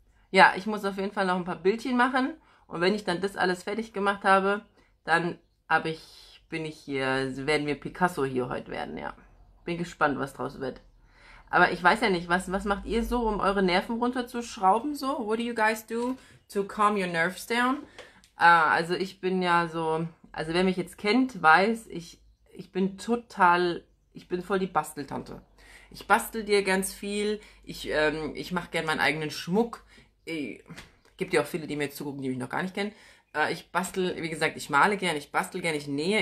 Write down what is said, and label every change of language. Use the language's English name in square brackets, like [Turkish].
[German] Ja, ich muss auf jeden Fall noch ein paar Bildchen machen. Und wenn ich dann das alles fertig gemacht habe, dann werden wir Picasso hier heute werden, ja. Bin gespannt, was draus wird. Aber ich weiß ja nicht, was macht ihr so, um eure Nerven runterzuschrauben so? [English] What do you guys do to calm your nerves down? [German] Also ich bin ja so, also wer mich jetzt kennt, weiß, ich bin voll die Basteltante. Ich bastel dir ganz viel, ich mache gern meinen eigenen Schmuck. Gibt ja auch viele, die mir jetzt zugucken, die mich noch gar nicht kennen. Ich bastel, wie gesagt, ich male gern, ich bastel gern, ich nähe.